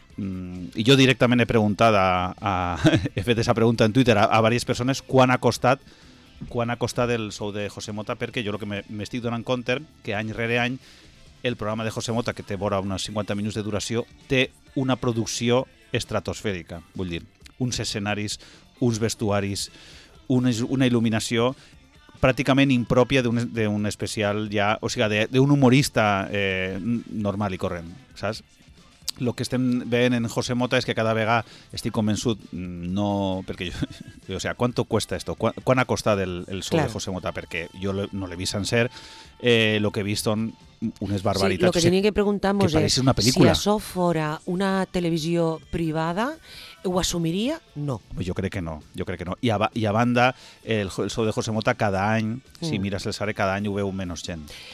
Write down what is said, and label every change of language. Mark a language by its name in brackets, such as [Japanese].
[Catalan] I jo directament he preguntat he fet aquesta pregunta en Twitter a diverses persones quan ha costat el show de José Mota, perquè jo el que m'estic donant compte que any rere any el programa de José Mota, que té vora uns 50 minuts de duració, té una producció estratosfèrica, vull dir, uns escenaris, uns vestuaris, una il·luminació pràcticament impròpia d'un especial ja, o sigui, d'un humorista normal i corrent, saps? El que estem veient en José Mota és que cada vegada estic convençut, no, perquè jo, [Spanish] o sea, ¿cuánto cuesta esto? [Catalan] ¿Quan ha costat el sol, claro, de José Mota? Perquè jo no l'he vist sencer, lo que he vist són unes barbaritats. Sí, lo que tenim que preguntar-nos és [Spanish] una película. [Catalan] Si això fora una televisió privada, ho assumiria? No. Jo crec que no, jo crec que no. I a banda, el sol de José Mota cada any, si mires el Sare, cada any ho veu menys gent.